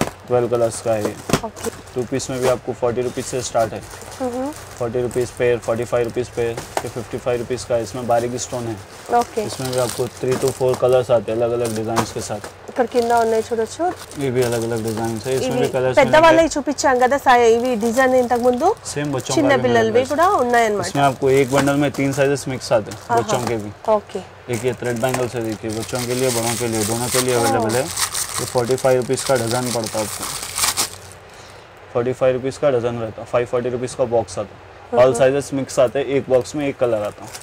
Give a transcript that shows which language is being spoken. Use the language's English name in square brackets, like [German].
[Hindi] 12 colours का है। To piece में भी आपको 40 रुपीस से स्टार्ट है, 40 rupees pair, 45 rupees pair, 55 rupees का, इसमें बारीक स्टोन है। ओके इसमें भी आपको 3-4 कलर्स आते हैं अलग अलग डिजाइन के साथ, ये भी अलग अलग डिजाइन है, इसमें भी कलर्स [Telugu] పెద్ద వాళ్ళే చూపించాం కదా సాయి ఇవి డిజైన్ ఇంతకు ముందు సేమ్ బచ్చం చిన్న పిల్లలవి కూడా ఉన్నాయి అన్నమాట। [Hindi] इसमें आपको एक बंडल में तीन साइजेस मिक्स आते हैं बच्चों के भी। ओके एक ये थ्रेड बैंगल्स है, देखिए बच्चों के लिए बड़ों के लिए दोनों के लिए अवेलेबल है। 45 रुपीस का डजन पड़ता है, 45 रुपीस का डजन रहता है, 540 रुपीस का बॉक्स आता है, ऑल साइजेस मिक्स आते हैं, एक बॉक्स में एक कलर आता है।